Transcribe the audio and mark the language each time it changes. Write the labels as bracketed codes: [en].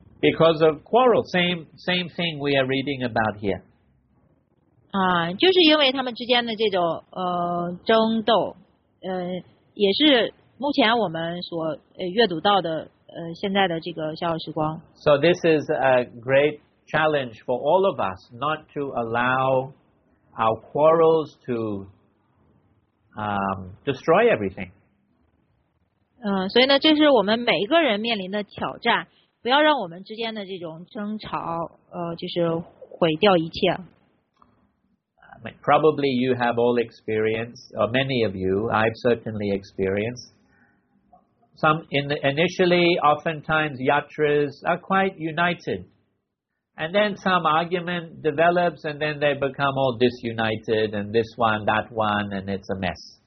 [en] Because of quarrel, same thing we are reading about here. [zh] 就是因为他们之间的这种争斗，也是目前我们所阅读到的现在的这个《逍遥时光》。 [en] So this is a great challenge for all of us not to allow our quarrels to destroy everything. [zh] 所以呢，这是我们每一个人面临的挑战，不要让我们之间的这种争吵，就是毁掉一切。 [en] Probably you have all experienced, or many of you, I've certainly experienced. Some initially, oftentimes yatras are quite united, and then some argument develops, and then they become all disunited, and this one, that one, and it's a mess.